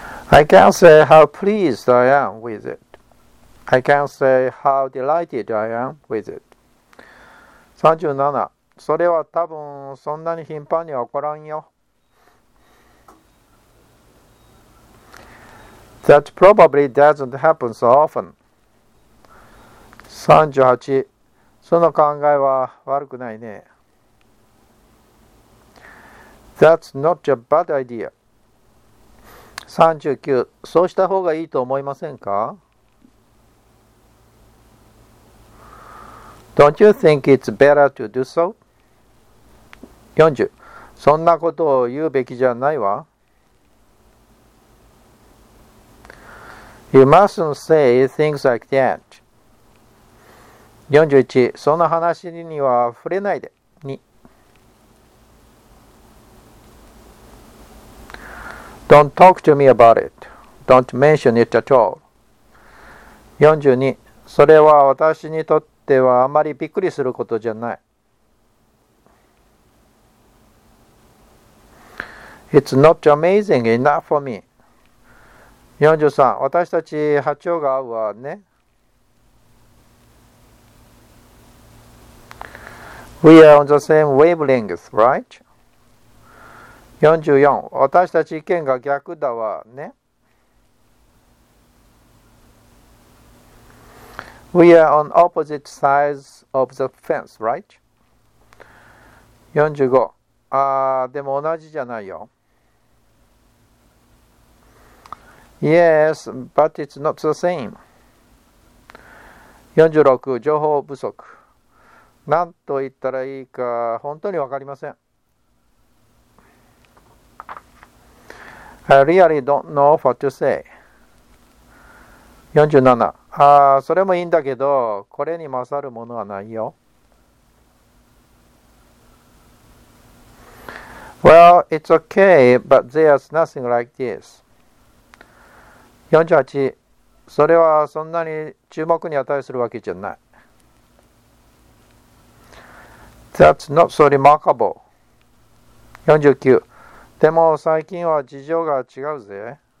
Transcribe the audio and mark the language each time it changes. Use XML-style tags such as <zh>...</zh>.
<en>I can't say how pleased I am with it. I can't say how delighted I am with it. 37.</en> <ja>それは多分そんなに頻繁には起こらんよ。</ja> <en>That probably doesn't happen so often. 38.</en> <ja>その考えは悪くないね。</ja> <en>That's not a bad idea. 39.</en> <ja>そうした方がいいと思いませんか?</ja> <en>Don't you think it's better to do so? 40.</en> <ja>そんなことを言うべきじゃないわ。</ja> <en>You mustn't say things like that. 41.</en> <ja>その話には触れないで。</ja> <en>Don't talk to me about it. Don't mention it at all. 42.</en> <ja>それは私にとってはあまりびっくりすることじゃない。</ja> <en>It's not amazing enough for me. 43.</en> <ja>私たち波長が合うわね。</ja> <en>We are on the same wavelength, right? 44.</en> <ja>私たち意見が逆だわね。</ja> <en>We are on opposite sides of the fence, right?</en> <ja>45. でも同じじゃないよ。</ja> <en>Yes, but it's not the same. 46.</en> <ja>情報不足。何と言ったらいいか本当にわかりません。</ja> <en>I really don't know what to say. 47.</en> <ja>それもいいんだけど、これに勝るものはないよ。</ja> <en>Well, it's okay, but there's nothing like this. 48.</en> <ja>それはそんなに注目に値するわけじゃない。</ja> <en>That's not so remarkable. 49.</en> <ja>でも最近は事情が違うぜ。</ja>